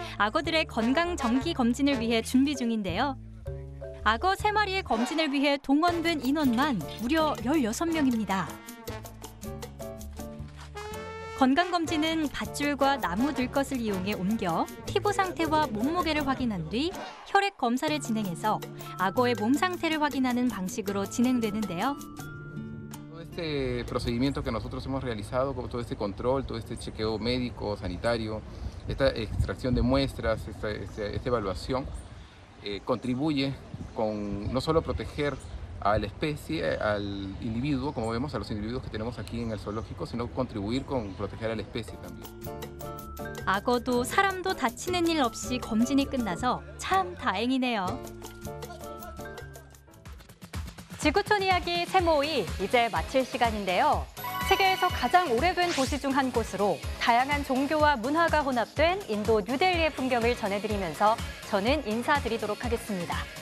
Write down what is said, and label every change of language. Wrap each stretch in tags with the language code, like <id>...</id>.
<ko>악어들의 건강 정기 검진을 위해 준비 중인데요. 악어 3마리의 검진을 위해 동원된 인원만 무려 16명입니다. 건강 검진은 밧줄과 나무 들것을 이용해 옮겨 피부 상태와 몸무게를 확인한 뒤 혈액 검사를 진행해서 악어의 몸 상태를 확인하는 방식으로 진행되는데요.</ko> <es>Este procedimiento que nosotros hemos realizado, todo este control, todo este chequeo médico, sanitario, esta extracción de muestras, esta evaluación, contribuye con no solo proteger a la especie, al individuo, como vemos a los individuos que tenemos aquí en el zoológico, sino contribuir con proteger a la especie también.</es> <ko>악어도 사람도 다치는 일 없이 검진이 끝나서 참 다행이네요. 지구촌 이야기 세모이 이제 마칠 시간인데요. 세계에서 가장 오래된 도시 중 한 곳으로 다양한 종교와 문화가 혼합된 인도 뉴델리의 풍경을 전해드리면서 저는 인사드리도록 하겠습니다.</ko>